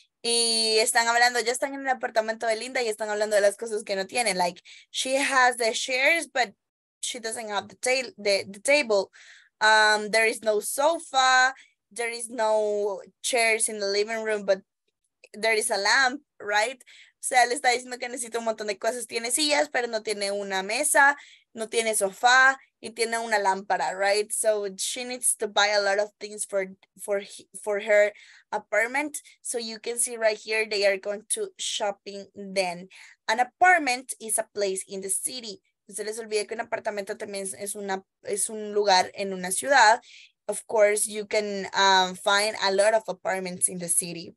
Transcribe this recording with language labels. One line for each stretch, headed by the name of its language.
Spanish: Y están hablando, ya están en el apartamento de Linda y están hablando de las cosas que no tienen.
English: Like, she has the chairs, but she doesn't have the table. There is no sofa. There is no chairs in the living room, but there is a lamp, right?
Spanish: O sea, le está diciendo que necesita un montón de cosas. Tiene sillas, pero no tiene una mesa, no tiene sofá y tiene una lámpara,
English: right? So she needs to buy a lot of things for her apartment. So you can see right here, they are going to shopping then. An apartment is a place in the city.
Spanish: No se les olvide que un apartamento también es un lugar en una ciudad.
English: Of course, you can find a lot of apartments in the city.